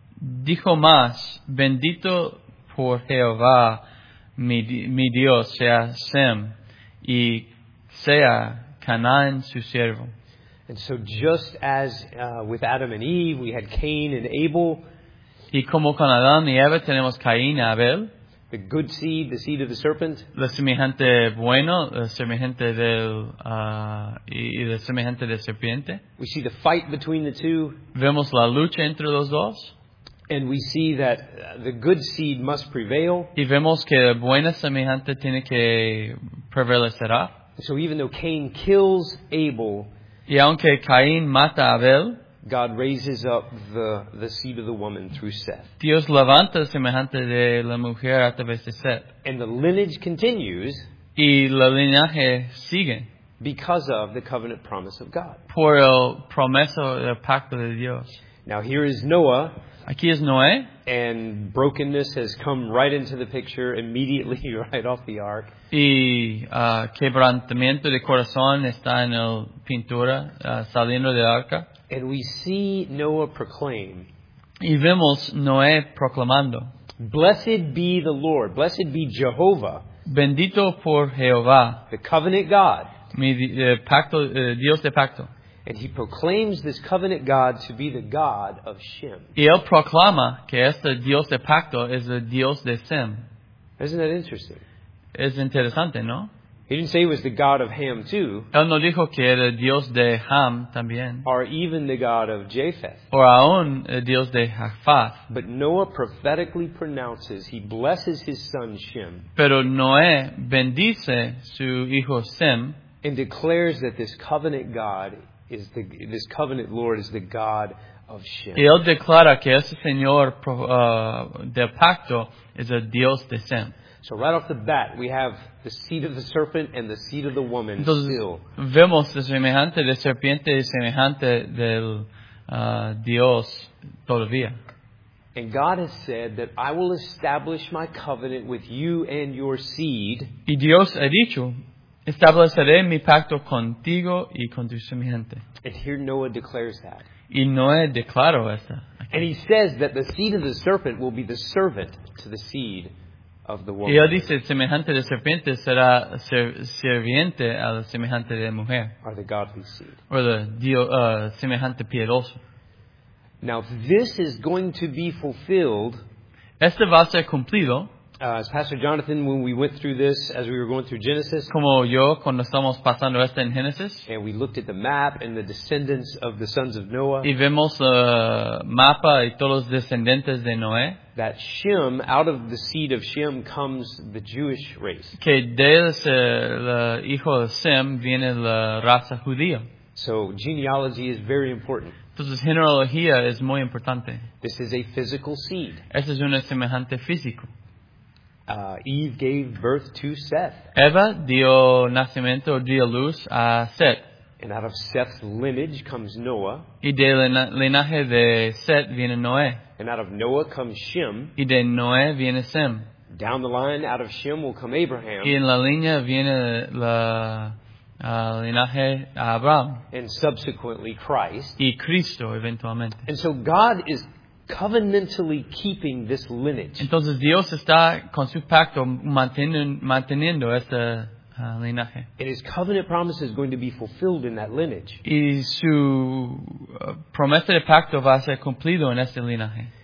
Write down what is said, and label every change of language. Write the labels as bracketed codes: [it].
[es] Dijo más, "Bendito por Jehová mi Dios sea Shem, y sea Canaan su siervo." [en] And so just as with Adam and Eve, we had Cain and Abel. [es] Y como con Adán y Eva tenemos Caín y Abel. [en] The good seed, the seed of the serpent. [es] La semejante bueno, la semejante del y la semejante de serpiente. [en] We see the fight between the two. [es] Vemos la lucha entre los dos. [en] And we see that the good seed must prevail. [es] Y vemos que la buena semejante tiene que prevalecerá. [en] So even though Cain kills Abel, [es] y aunque Caín mata a Abel, [en] God raises up the seed of the woman through Seth. [es] Dios levanta semejante de la mujer a través de Seth. [en] And the lineage continues. [es] Y la linaje sigue. [en] Because of the covenant promise of God. [es] Por el promeso del pacto de Dios. [en] Now here is Noah. [es] Aquí es Noé. [en] And brokenness has come right into the picture immediately right off the ark. [es] Y quebrantamiento de corazón está en la pintura saliendo del arca. [en] And we see Noah proclaim. [es] Y vemos Noé proclamando. [en] Blessed be the Lord. Blessed be Jehovah. [es] Bendito por Jehová. [en] The covenant God. [es] Dios de pacto. [en] And he proclaims this covenant God to be the God of Shem. [es] Y él proclama que este Dios de pacto es el Dios de Shem. [en] Isn't that interesting? [es] Es interesante, ¿no? [en] He didn't say he was the God of Ham too. [es] Él no dijo que era Dios de Ham también. [en] Or even the God of Japheth. [es] O aún Dios de Japheth. [en] But Noah prophetically pronounces, he blesses his son Shem. [es] Pero Noé bendice su hijo Sem. [en] And declares that this covenant God is the this covenant Lord is the God of Shem. [es] Y él declara que ese señor del pacto es el Dios de Sem. [en] So right off the bat, we have the seed of the serpent and the seed of the woman. [es] Entonces, [en] still, [es] vemos el semejante de serpiente y semejante del Dios todavía. [en] And God has said that I will establish my covenant with you and your seed. [es] Y Dios ha dicho, estableceré mi pacto contigo y con tu semejante. [en] And here Noah declares that. [es] Y Noé declaró esta. [en] And he says that the seed of the serpent will be the servant to the seed. [es] Y él dice, semejante de serpiente será serviente a la semejante de mujer. [en] Or the godly seed. [es] O la semejante piedoso. [en] Now, this is going to be fulfilled. [es] Este va a ser cumplido. [en] As Pastor Jonathan, when we went through this, as we were going through Genesis. [es] Como yo, cuando estamos pasando esto en Genesis. [en] And we looked at the map and the descendants of the sons of Noah. [es] Y vemos el mapa y todos los descendientes de Noé. [en] That Shem, out of the seed of Shem, comes the Jewish race. [es] Que de el hijo de Sem viene la raza judía. [en] So genealogy is very important. [es] Entonces genealogía es muy importante. [en] This is a physical seed. [es] Esta es una semejante físico. [en] Eve gave birth to Seth. [es] Eva dio nacimiento, dio luz a Seth. [en] And out of Seth's lineage comes Noah. [es] Y de linaje de Seth viene Noé. [en] And out of Noah comes Shem. [es] Y de Noé viene Sem. [en] Down the line, out of Shem will come Abraham. [es] Y en la línea viene la linaje a Abraham. [en] And subsequently Christ. [es] Y Cristo eventualmente. [en] And so God is covenantally keeping this lineage. [es] Entonces Dios está con su pacto manteniendo esta linaje. [en] And his covenant promise is going to be fulfilled in that lineage. [es] Y su promesa de pacto va a ser cumplido en este linaje.